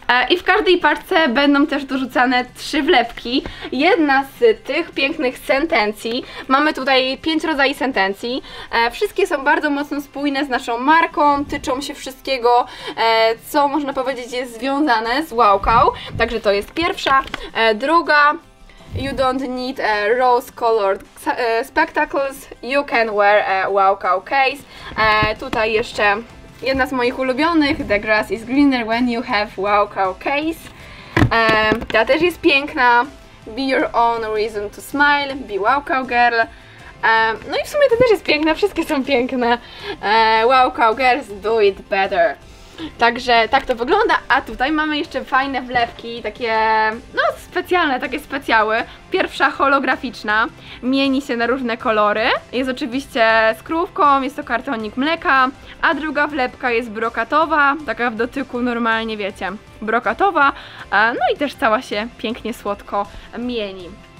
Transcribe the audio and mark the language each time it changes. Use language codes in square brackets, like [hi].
[pl] I w każdej paczce będą też dorzucane 3 wlepki. Jedna z tych pięknych sentencji. Mamy tutaj 5 rodzajów sentencji. Wszystkie są bardzo mocno spójne z naszą marką, tyczą się wszystkiego, co można powiedzieć jest związane z Wowcow. Także to jest pierwsza. Druga. [en] You don't need a rose-colored spectacles, you can wear a Wowcow case. [pl] Tutaj jeszcze jedna z moich ulubionych, [en] the grass is greener when you have Wowcow case. [pl] Ta też jest piękna, [en] be your own reason to smile, be Wowcow girl. [pl] No i w sumie to też jest piękne, wszystkie są piękne. [en] Wowcow girls, do it better. [pl] Także tak to wygląda, a tutaj mamy jeszcze fajne wlepki, takie no specjalne, takie specjały. Pierwsza holograficzna, mieni się na różne kolory, jest oczywiście z krówką, jest to kartonik mleka, a druga wlepka jest brokatowa, taka w dotyku normalnie, wiecie, brokatowa, no i też cała się pięknie, słodko mieni.